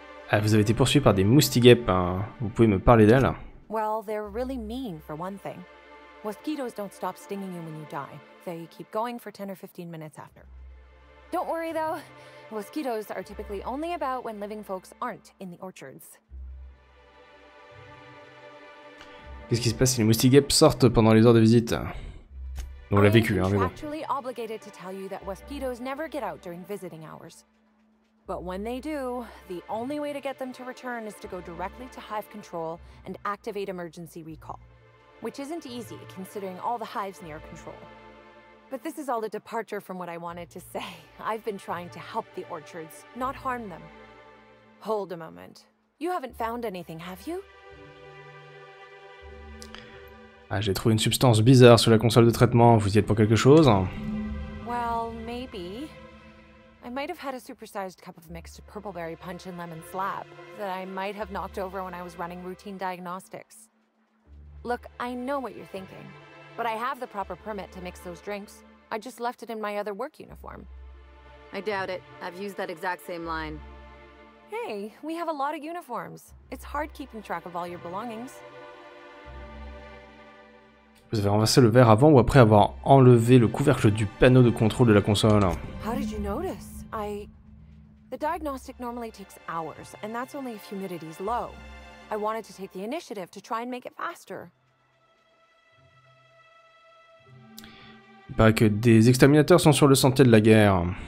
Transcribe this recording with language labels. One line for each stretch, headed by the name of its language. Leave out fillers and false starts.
French: Ah, vous avez été poursuivi par des moustiguettes, hein. Vous pouvez me parler d'elles?
English: Well, they're really mean, for one thing. Mosquitoes don't stop stinging you when you die. They keep going for 10 or 15 minutes after. Don't worry, though. Mosquitoes are typically only about when living folks aren't in the orchards.
French: Qu'est-ce qui se passe si les moustiguettes sortent pendant les heures de visite? On l'a vécu, hein, mais bon.
English: I'm actually obligated to tell you that mosquitoes never get out during visiting hours. But when they do, the only way to get them to return is to go directly to hive control and activate emergency recall. Which isn't easy, considering all the hives near control. But this is all a departure from what I wanted to say. I've been trying to help the orchards, not harm them. Hold a moment. You haven't found anything, have you?
French: Ah, j'ai trouvé une substance bizarre sur la console de traitement. Vous y êtes pour quelque chose?
English: Well, maybe. I might have had a supersized cup of mixed purpleberry punch and lemon slab that I might have knocked over when I was running routine diagnostics. Look, I know what you're thinking. But I have the proper permit to mix those drinks. I just left it in my other work uniform. I doubt it. I've used that exact same line. Hey, we have a lot of uniforms. It's hard keeping track of all your belongings.
French: Vous avez renversé le verre avant ou après avoir enlevé le couvercle du panneau de contrôle de la console?
English: How did you notice? The diagnostic normally takes hours, and that's only if humidity's low. I wanted to take the initiative to try and make it faster.
French: Pas que des exterminateurs sont sur le sentier de la guerre.